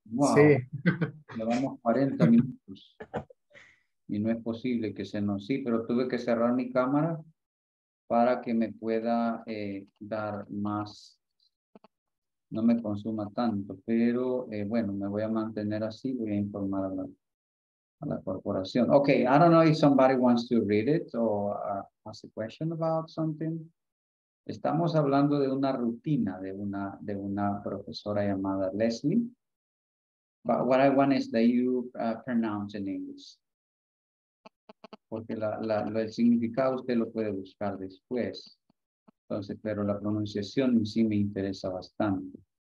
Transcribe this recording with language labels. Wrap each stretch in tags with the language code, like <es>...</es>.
<es>Wow. Sí. Llevamos 40 minutos. Y no es posible que se nos... Sí, pero tuve que cerrar mi cámara para que me pueda dar más... No me consuma tanto, pero bueno, me voy a mantener así. Voy a informar a la corporación.</es> <en>Okay, I don't know if somebody wants to read it or has a question about something.</en> <es>Estamos hablando de una rutina de una profesora llamada Leslie.</es> <en>But what I want is that you pronounce in English.</en> <es>Porque el significado usted lo puede buscar después. Entonces, pero la pronunciación en sí me interesa bastante.</es>